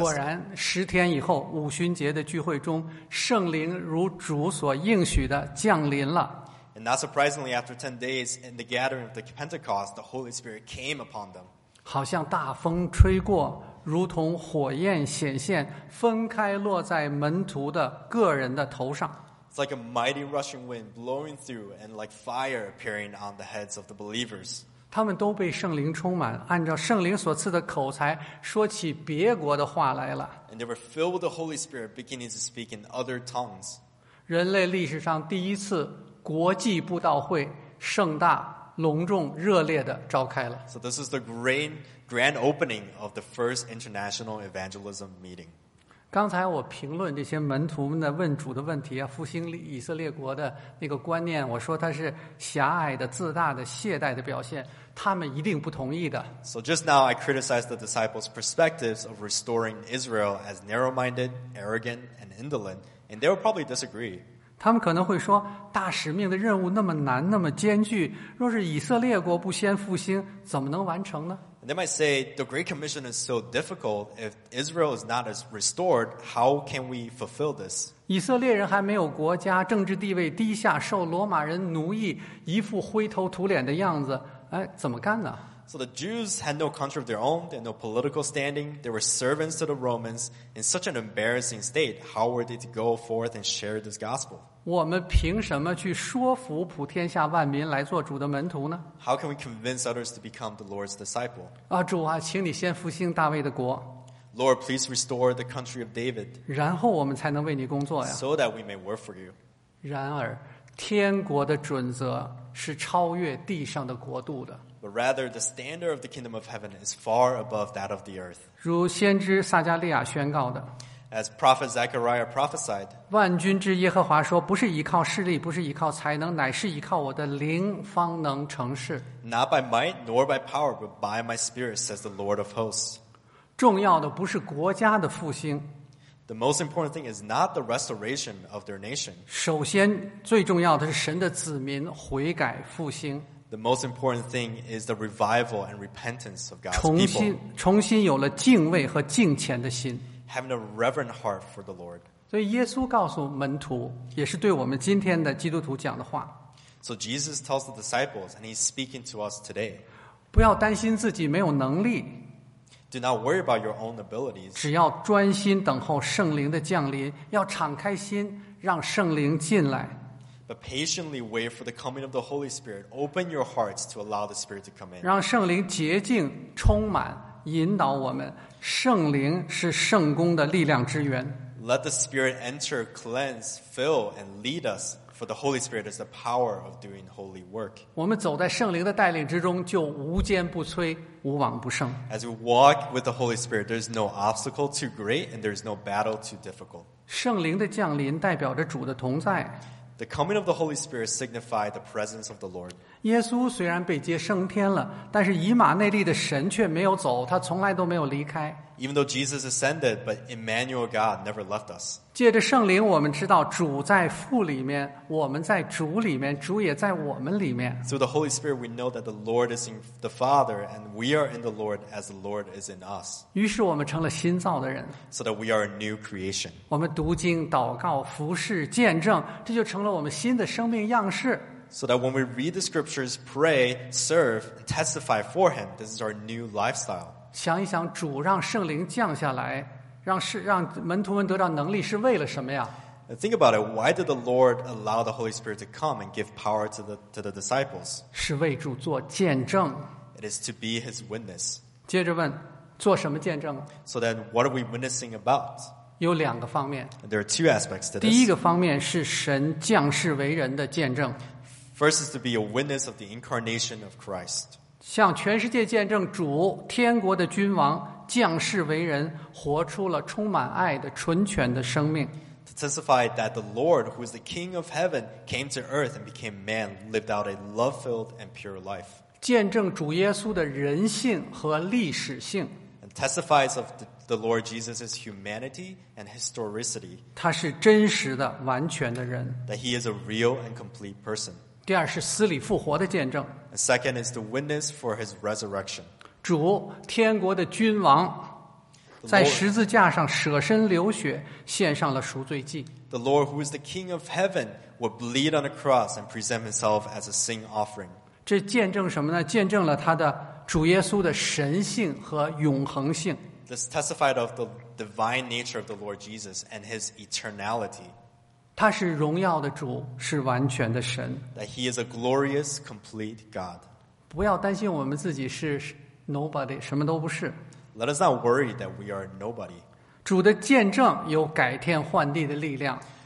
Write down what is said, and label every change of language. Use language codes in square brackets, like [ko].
[zh] 果然，十天以后，五旬节的聚会中，圣灵如主所应许的降临了。 [en] And not surprisingly, after 10 days in the gathering of the Pentecost, the Holy Spirit came upon them. [zh] 好像大风吹过。如同火焰显现，分开落在门徒的个人的头上。 [en] It's like a mighty rushing wind blowing through, and like fire appearing on the heads of the believers. [zh] 他们都被圣灵充满，按照圣灵所赐的口才说起别国的话来了。 [en] And they were filled with the Holy Spirit, beginning to speak in other tongues. [zh] 人类历史上第一次国际布道会，盛大、隆重、热烈的召开了。 [en] So this is the grand opening of the first international evangelism meeting. [zh] 刚才我评论这些门徒们的问主的问题啊，复兴以色列国的那个观念，我说它是狭隘的、自大的、懈怠的表现，他们一定不同意的。 [en] So just now I criticized the disciples' perspectives of restoring Israel as narrow-minded, arrogant, and indolent, and they will probably disagree. [zh] 他们可能会说，大使命的任务那么难、那么艰巨，若是以色列国不先复兴，怎么能完成呢？ [en] They might say, the Great Commission is so difficult. If Israel is not as restored, how can we fulfill this? [zh] 以色列人还没有国家，政治地位低下，受罗马人奴役，一副灰头土脸的样子，哎，怎么干呢？ [en] So the Jews had no country of their own. They had no political standing. They were servants to the Romans in such an embarrassing state. How were they to go forth and share this gospel? [zh] 我们凭什么去说服普天下万民来做主的门徒呢？ [en] How can we convince others to become the Lord's disciple? [zh] 啊，主啊，请你先复兴大卫的国。 [en] Lord, please restore the country of David. [zh] 然后我们才能为你工作呀。 [en] So that we may work for you. [zh] 然而，天国的准则是超越地上的国度的。 [en] But rather, the standard of the kingdom of heaven is far above that of the earth. [zh] 如先知撒迦利亚宣告的。 [en] As Prophet Zechariah prophesied, [zh] 万军之耶和华说，不是依靠势力，不是依靠才能，乃是依靠我的灵方能成事。 [en] Not by might nor by power, but by my spirit, says the Lord of hosts. [zh] 重要的不是国家的复兴。 [en] The most important thing is not the restoration of their nation. [zh] 首先，最重要的是神的子民悔改复兴。 [en] The most important thing is the revival and repentance of God's people. [zh] 重新有了敬畏和敬虔的心。 [en] Having a reverent heart for the Lord. [zh] 所以耶稣告诉门徒，也是对我们今天的基督徒讲的话。 [en] So Jesus tells the disciples, and he's speaking to us today. [zh] 不要担心自己没有能力。 [en] Do not worry about your own abilities. [zh] 只要专心等候圣灵的降临，要敞开心，让圣灵进来。 [en] But patiently wait for the coming of the Holy Spirit. Open your hearts to allow the Spirit to come in. [zh] 让圣灵洁净、充满、引导我们。圣灵是圣工的力量之源。 [en] Let the Spirit enter, cleanse, fill, and lead us, for the Holy Spirit is the power of doing holy work. [zh] 我们走在圣灵的带领之中，就无坚不摧，无往不胜。 [en] As we walk with the Holy Spirit, there is no obstacle too great, and there is no battle too difficult. [zh] 圣灵的降临代表着主的同在。 [en] The coming of the Holy Spirit signified the presence of the Lord. [zh] 耶稣虽然被接升天了，但是以马内利的神却没有走，他从来都没有离开。 [en] Even though Jesus ascended, but Emmanuel God never left us. [zh] 借着圣灵，我们知道主在父里面，我们在主里面，主也在我们里面。 [en] Through the Holy Spirit, we know that the Lord is in the Father, and we are in the Lord as the Lord is in us. [zh] 于是我们成了新造的人。 [en] So that we are a new creation. [zh] 我们读经、祷告、服事、见证，这就成了我们新的生命样式。 [en] So that when we read the scriptures, pray, serve, and testify for Him, this is our new lifestyle. [zh] 想一想，主让圣灵降下来，让门徒们得到能力，是为了什么呀？ [en] Think about it. Why did the Lord allow the Holy Spirit to come and give power to the disciples? [zh] 是为主做见证。 [en] It is to be His witness. [zh] 接着问，做什么见证？ [en] So then, what are we witnessing about? [zh] 有两个方面。 [en] There are two aspects to this. [zh] 第一个方面是神降世为人的见证。 [en] First is to be a witness of the incarnation of Christ. [zh] 向全世界见证主天国的君王降世为人，活出了充满爱的纯全的生命。 [en] To testify that the Lord, who is the King of heaven, came to earth and became man, lived out a love-filled and pure life. [zh] 见证主耶稣的人性和历史性。 [en] And testifies of the Lord Jesus' humanity and historicity. [zh] 他是真实的、完全的人。 [en] That he is a real and complete person. [zh] 第二是死里复活的见证。 [en] And second is the witness for his resurrection. [zh] 主天国的君王在十字架上舍身流血，献上了赎罪祭。 [en] The Lord who is the King of heaven would bleed on the cross and present himself as a sin offering. [zh] 这见证什么呢？见证了他的主耶稣的神性和永恒性。 [en] This testified of the divine nature of the Lord Jesus and his eternality. [zh] 他是荣耀的主，是完全的神。 [en] That he is a glorious, complete God. [zh] 不要担心我们自己是Nobody, 什么都不是。 [en] Let us not worry that we are nobody. [zh] 主的见证有改天换地的力量。